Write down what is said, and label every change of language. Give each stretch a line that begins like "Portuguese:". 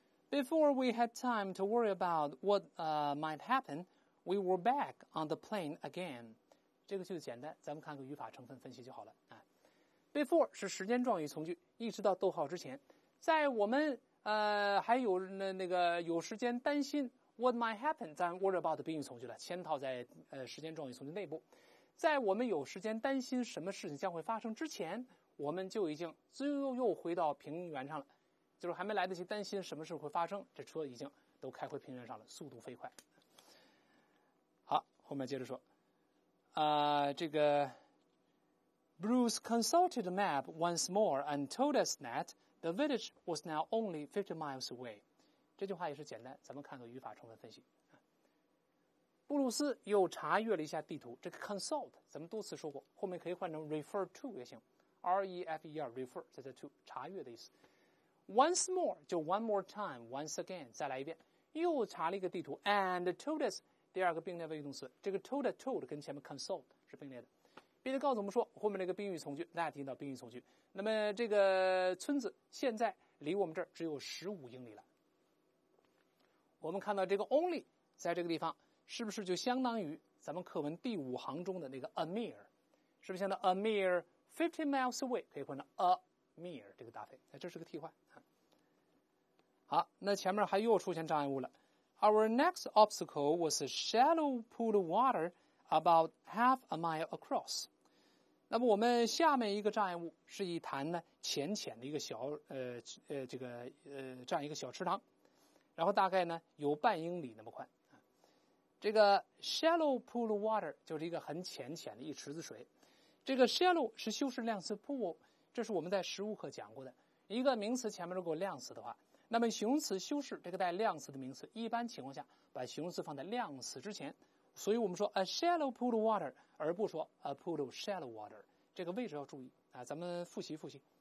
English: Before we had time to worry about what might happenWe were back on the plane again.
Chinese: 这个句子简单，咱们看个语法成分分析就好了。 Before 是时间状语从句，一直到逗号之前。在我们还有那个有时间担心 what might happen，咱 worry about 的宾语从句了，嵌套在时间状语从句内部。在我们有时间担心什么事情将会发生之前，我们就已经又回到平原上了，就是还没来得及担心什么事会发生，这车已经都开回平原上了，速度飞快。后面接着说，这个
English: Bruce consulted the map once more and told us that the village was now only 50 miles away.
Chinese: 这句话也是简单，咱们看个语法成分分析。布鲁斯又查阅了一下地图，这个 consult 咱们多次说过，后面可以换成 refer to 也行， R-E-F-E-R refer 再加 to 查阅的意思。 Once more 就 one more time， once again 再来一遍，又查了一个地图 and told us，第二个并列谓语动词，这个 told 跟前面 consult 是并列的，并且告诉我们说后面那个宾语从句 that 引导宾语从句，那么这个村子现在离我们这儿只有15英里了。我们看到这个 only 在这个地方是不是就相当于咱们课文第五行中的那个 a mere， 是不是像那 a mere 50 miles away 可以换成 a mere 这个搭配，这是个替换。好，那前面还又出现障碍物了。
English: Our next obstacle was a shallow pool of water about half a mile across。
Chinese: 那么我们下面一个障碍物是一潭呢浅浅的一个小这样一个小池塘，然后大概呢有半英里那么宽。这个 shallow pool of water 就是一个很浅浅的一池子水，这个 shallow 是修饰量词 pool， 这是我们在实物课讲过的，一个名词前面如果量词的话，那么形容词修饰这个带量词的名词一般情况下把形容词放在量词之前，所以我们说 a shallow pool of water 而不说 a pool of shallow water，这个位置要注意啊。咱们复习复习。